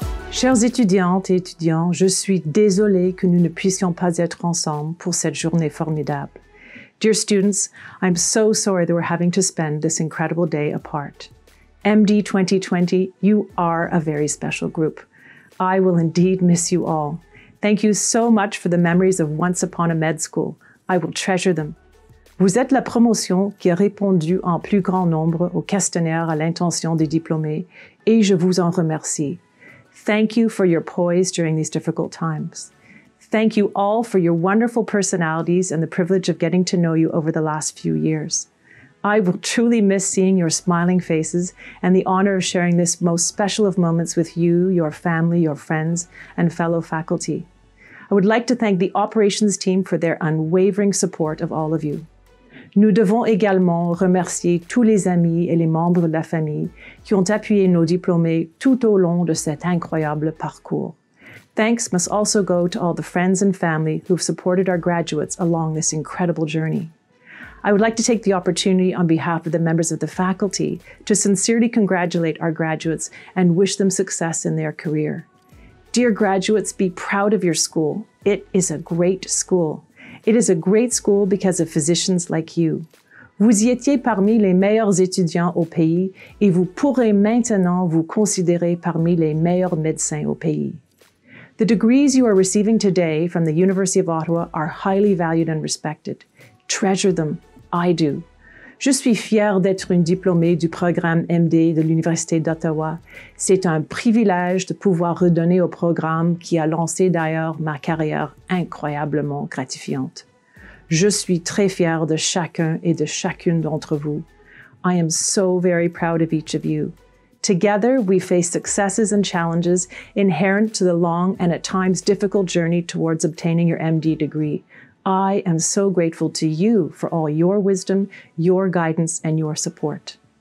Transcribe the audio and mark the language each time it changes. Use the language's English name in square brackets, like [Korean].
[French] Chères étudiantes et étudiants, je suis désolée que nous ne puissions pas être ensemble pour cette journée formidable. [English] Dear students, I'm so sorry that we're having to spend this incredible day apart. MD 2020, you are a very special group. I will indeed miss you all. Thank you so much for the memories of once upon a med school. I will treasure them. [French] Vous êtes la promotion qui a répondu en plus grand nombre aux questionnaires à l'intention des diplômés et je vous en remercie. [English] Thank you for your poise during these difficult times. Thank you all for your wonderful personalities and the privilege of getting to know you over the last few years. I will truly miss seeing your smiling faces and the honor of sharing this most special of moments with you, your family, your friends, and fellow faculty. I would like to thank the operations team for their unwavering support of all of you. [French] Nous devons également remercier tous les amis et les membres de la famille qui ont appuyé nos diplômés tout au long de cet incroyable parcours. [English] Thanks must also go to all the friends and family who have supported our graduates along this incredible journey. I would like to take the opportunity on behalf of the members of the faculty to sincerely congratulate our graduates and wish them success in their career. Dear graduates, be proud of your school. It is a great school. It is a great school because of physicians like you. [French] Vous y étiez parmi les meilleurs étudiants au pays et vous pourrez maintenant vous considérer parmi les meilleurs médecins au pays. [English] The degrees you are receiving today from the University of Ottawa are highly valued and respected. Treasure them. I do. [French] Je suis fière d'être une diplômée du programme MD de l'Université d'Ottawa. C'est un privilège de pouvoir redonner au programme qui a lancé d'ailleurs ma carrière incroyablement gratifiante. Je suis très fière de chacun et de chacune d'entre vous. [English] I am so very proud of each of you. Together, we face successes and challenges inherent to the long and at times difficult journey towards obtaining your MD degree. I am so grateful to you for all your wisdom, your guidance, and your support.